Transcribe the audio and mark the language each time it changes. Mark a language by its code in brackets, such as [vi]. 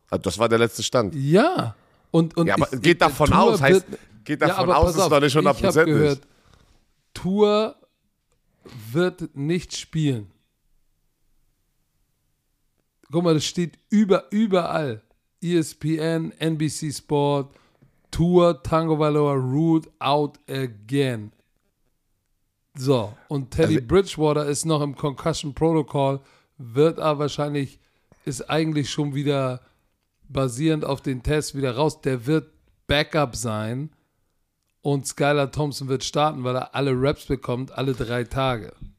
[de] Also das war der letzte Stand. Ja. Und ja, aber geht davon aus, ist doch nicht 100%. Ich habe gehört, Tua wird nicht spielen. Guck mal, das steht überall. [en] ESPN, NBC Sport, Tua Tagovailoa ruled out again. [de] So, und Teddy Bridgewater ist noch im Concussion Protocol, wird aber wahrscheinlich, ist eigentlich schon wieder basierend auf den Tests wieder raus. Der wird Backup sein und Skylar Thompson wird starten, weil er alle Reps bekommt, alle 3 Tage.